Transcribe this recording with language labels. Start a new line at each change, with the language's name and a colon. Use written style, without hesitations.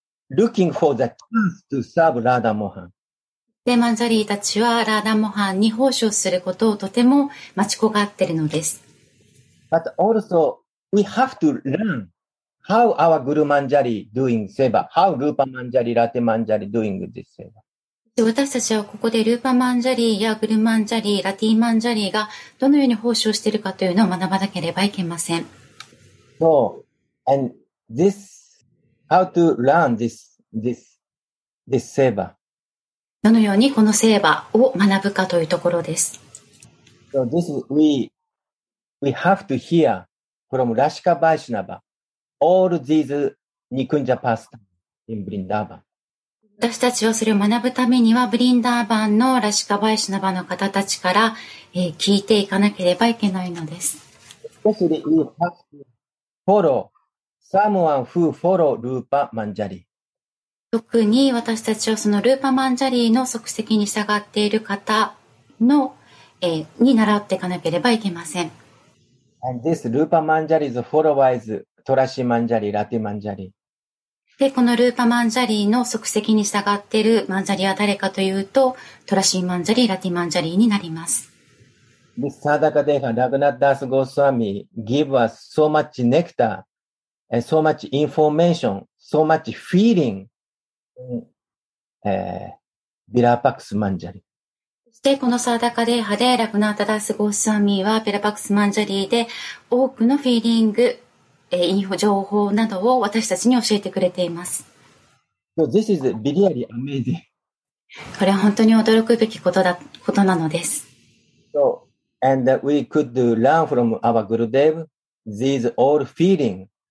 English: looking for the chance to serve Radha Mohan.
Japanese: で、マンジャリーたちはラーダモハンに奉仕をすることをとても待ち焦がっているのです。
English: But also, we have to learn how our Guru Manjari doing seva, how Rupa Manjari, Rate Manjari doing this seva.
Japanese: 私たちはここでルーパマンジャリーやグルマンジャリー、ラティマンジャリーがどのように奉仕をしているかというのを学ばなければいけません。
English: So, and this. How to learn this seva?
Japanese: どのようにこのセーバーを学ぶかというところです。
English: So this we have to hear from Rashika Vaishnava all these Nikunja pastime in Vrindavan.
Japanese: 私たちはそれを学ぶためには、ブリンダーバンのラシカバイシュナバの方たちから、聞いていかなければいけないのです。
English: Especially we have to follow. Someone who follow Rupa Manjari.
Japanese: 特に私たちはそのルーパマンジャリーの足跡に従っている方の、に習っていかなければいけません。
English: And this Rupa Manjari's followers, Trashi Manjari, Rati Manjari.
Japanese: で、このルーパマンジャリーの足跡に従っているマンジャリーは誰かというと、Trashi Manjari, Rati Manjari になります。
English: This Sadaka Deha, Raghunath Das Goswami give us so much nectar. And so much information, so much feeling in, Virapaksha Manjari.
Japanese: そしてこのサーダカデーハでラグナータダスゴスワミはビラパクスマンジャリーで多くのフィーリング、インフォ情報などを私たちに教えてくれています。
English: So this is really amazing.
Japanese: これは本当に驚くべきことなのです。
English: So, and we could learn from our Gurudev these all feeling